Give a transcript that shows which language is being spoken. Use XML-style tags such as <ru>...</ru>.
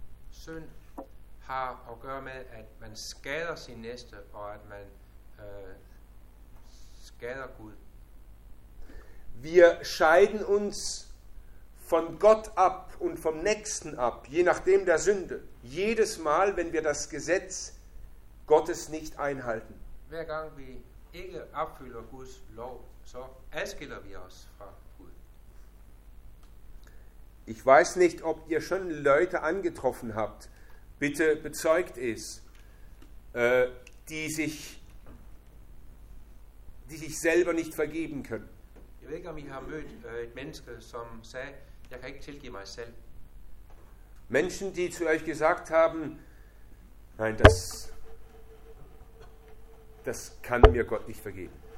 <da>Sünd har at gøre med, at man skader sin næste, og at man skader Gud.</da> <de>Wir scheiden uns von Gott ab und vom Nächsten ab, je nachdem der Sünde. Jedes Mal, wenn wir das Gesetz Gottes nicht einhalten.</de> <da>Hver gang vi ikke opfylder Guds lov, så adskiller vi os fra Gud.</da> <de>Ich weiß nicht, ob ihr schon Leute angetroffen habt, bitte bezeugt es, die sich selber nicht vergeben können.</de> <da>Jeg ved ikke, om I har mødt et menneske, som sagde, jeg kan ikke tilgive mig selv.</da> <de>Menschen, die zu euch gesagt haben, nein, das kann mir Gott nicht vergeben.</de>